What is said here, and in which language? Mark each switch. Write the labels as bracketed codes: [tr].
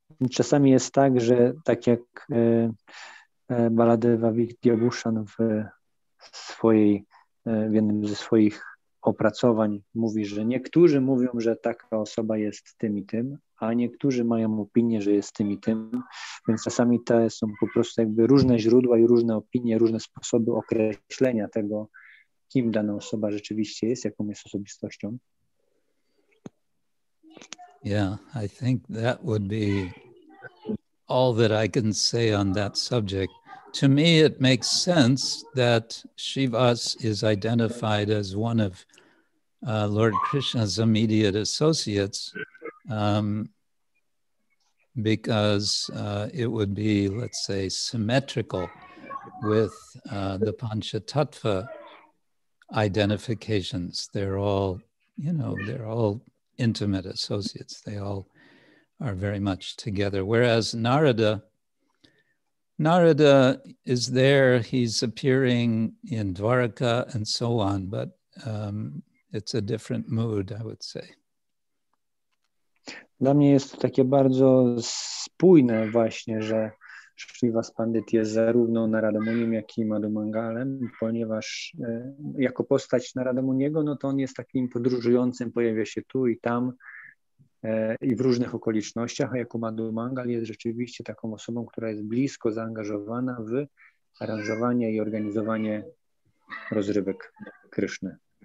[pl] Czasami jest tak, że tak jak Baladeva Vidyabhushan w jednym ze swoich opracowań mówi, że niektórzy mówią, że taka osoba jest tym i tym, a niektórzy mają opinię, że jest tym i tym, więc czasami te są po prostu jakby różne źródła i różne opinie, różne sposoby określenia tego, kim dana osoba rzeczywiście jest, jaką jest osobistością. [en] Yeah, I think that would be all that I can say on that subject. To me, it makes sense that Shivas is identified as one of Lord Krishna's immediate associates because it would be, let's say, symmetrical with the Panchatattva identifications. They're all, you know, they're all intimate associates. They all are very much together. Whereas Narada is there, he's appearing in Dwaraka and so on, but it's a different mood, I would say. [pl] Dla mnie jest to takie bardzo spójne właśnie, że Shrivas Pandit jest zarówno Naradamunim, jak i Madhumangalem, ponieważ jako postać Naradamuniego, no to on jest takim podróżującym, pojawia się tu i tam, i w różnych okolicznościach, a jako Madhumangal jest rzeczywiście taką osobą, która jest blisko zaangażowana w aranżowanie i organizowanie rozrywek Kryszny.